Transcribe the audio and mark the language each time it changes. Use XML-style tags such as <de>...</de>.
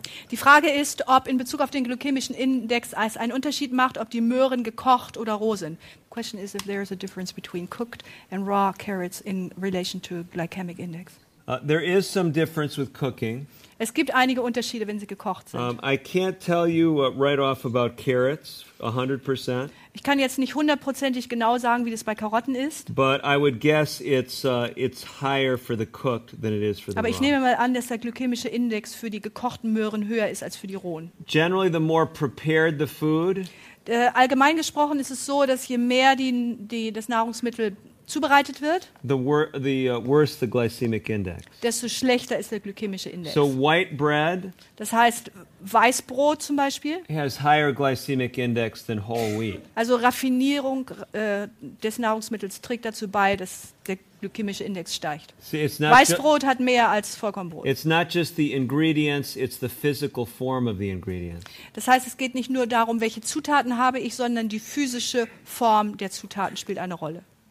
<de>Die Frage ist, ob in Bezug auf den glykämischen Index es einen Unterschied macht, ob die Möhren gekocht oder roh sind.</de> <en>The question is if there is a difference between cooked and raw carrots in relation to glycemic index. There is some difference with cooking.</en> <de>Es gibt einige Unterschiede, wenn sie gekocht sind.</de> <en>I can't tell you right off about carrots 100%.</en> <de>Ich kann jetzt nicht hundertprozentig genau sagen, wie das bei Karotten ist.</de> <en>But I would guess it's higher for the cooked than it is for the raw.</en> <de>Aber ich nehme mal an, dass der glykämische Index für die gekochten Möhren höher ist als für die rohen.</de> <en>Generally the more prepared the food.</en> <de>Allgemein gesprochen ist es so, dass je mehr das Nahrungsmittel zubereitet wird,</de> <en>worse the glycemic index.</en> <de>Desto schlechter ist der glykämische Index.</de> <en>So white bread,</en> <de>das heißt, Weißbrot zum Beispiel,</de> <en>has higher glycemic index than whole wheat.</en> <de>Also Raffinierung des Nahrungsmittels trägt dazu bei, dass der glykämische Index steigt.</de> <en>See,</en> <de>Weißbrot hat mehr als Vollkornbrot.</de> <en>It's not just the ingredients, it's the physical form of the ingredients.</en> <de>Das heißt, es geht nicht nur darum, welche Zutaten habe ich, sondern die physische Form der Zutaten spielt eine Rolle.</de>